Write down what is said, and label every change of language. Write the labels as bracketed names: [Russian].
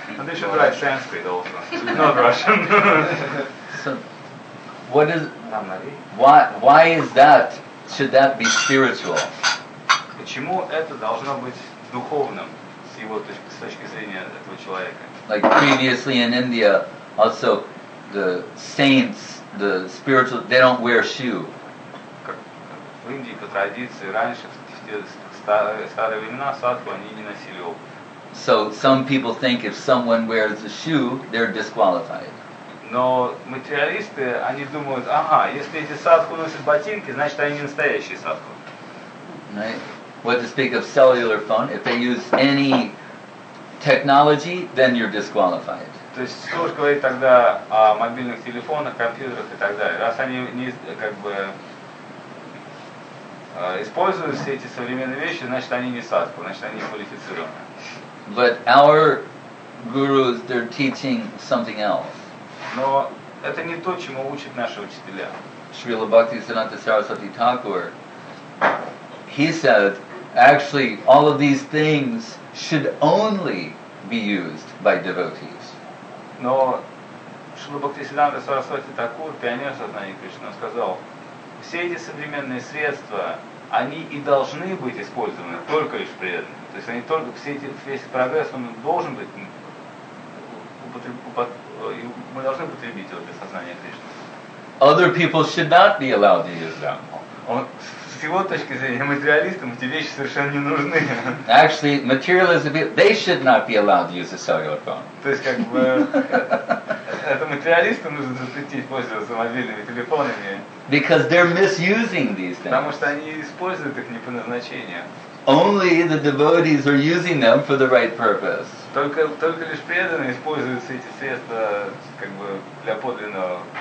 [Russian] Надо еще брать санскрит, [English] also. Not Russian. So, what is... Why is that? Should that be spiritual? [Russian] Почему это должно быть духовным с его точки, с точки зрения этого человека? [English] Like previously in India, also the saints, the spiritual, they don't wear shoe. [Russian] В Индии по традиции раньше в те старые времена садху они не носили обувь. [English] So some people think if someone wears a shoe, they're disqualified. [Russian] Но материалисты они думают, ага, если эти садху носят ботинки, значит они не настоящие садху. [English] What to speak of cellular phone? If they use any technology, then you're disqualified. [Russian] То есть, что уж говорить тогда о мобильных телефонах, компьютерах и так далее. Раз они не как бы используют все эти современные вещи, значит они не садху, значит они не квалифицированы. [English] But our gurus, they're teaching something else. [Russian] Но это не то, чему учат наши учителя. [English] Шрила Бхакти Сиддханта Сарасвати Тхакур, he said, actually, all of these things should only be used by devotees. [Russian] Но Шрила Бхакти Сиддханта Сарасвати Тхакур, пионер сознания Кришны, он сказал, все эти современные средства, они и должны быть использованы только лишь преданными. То есть они только, все эти, весь прогресс, он должен быть, мы должны употребить его для сознания Кришны. [English] Other people should not be allowed to use them. [Russian] С его точки зрения, материалистам эти вещи совершенно не нужны. [English] Actually, materialism, they should not be allowed to use a cellular phone. [Russian] То есть, как бы, это материалистам нужно запретить пользоваться мобильными телефонами. [English] Because they're misusing these things. [Russian] Потому что они используют их не по назначению. [English] Only the devotees are using them for the right purpose. [Russian] Только лишь преданные используют эти средства, как бы, для подлинного...